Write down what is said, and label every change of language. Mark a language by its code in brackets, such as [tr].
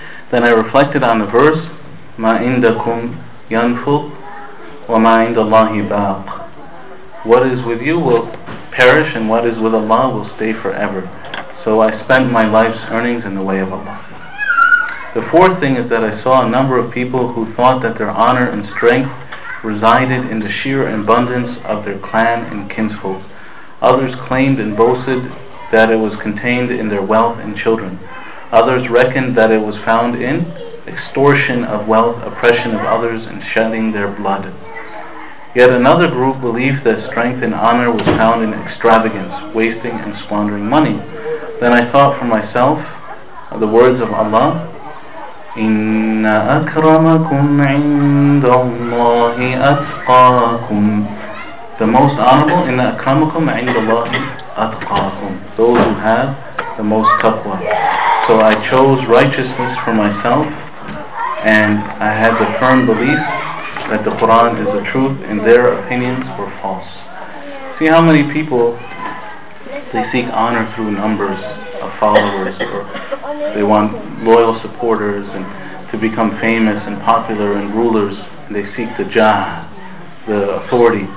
[en] Then I reflected on the verse, [ar] مَا عِنْدَكُمْ يَنْفُقْ وَمَا عِنْدَ اللَّهِ بَاقْ. [en] What is with you will perish, and what is with Allah will stay forever. So I spent my life's earnings in the way of Allah. The fourth thing is that I saw a number of people who thought that their honor and strength resided in the sheer abundance of their clan and kinsfolk. Others claimed and boasted that it was contained in their wealth and children. Others reckoned that it was found in extortion of wealth, oppression of others, and shedding their blood. Yet another group believed that strength and honor was found in extravagance, wasting and squandering money. Then I thought for myself of the words of Allah, [ar] إِنَّ أَكْرَمَكُمْ عِنْدَ اللَّهِ أَتْقَاكُمْ. [en] The most honorable, [ar] إِنَّ أَكْرَمَكُمْ عِنْدَ اللَّهِ أَتْقَاكُمْ. [en] Those who have the most taqwa. So I chose righteousness for myself, and I had the firm belief that the Quran is the truth, and their opinions were false. See how many people, they seek honor through numbers of followers, or they want loyal supporters and to become famous and popular and rulers, and they seek the jah, the authority.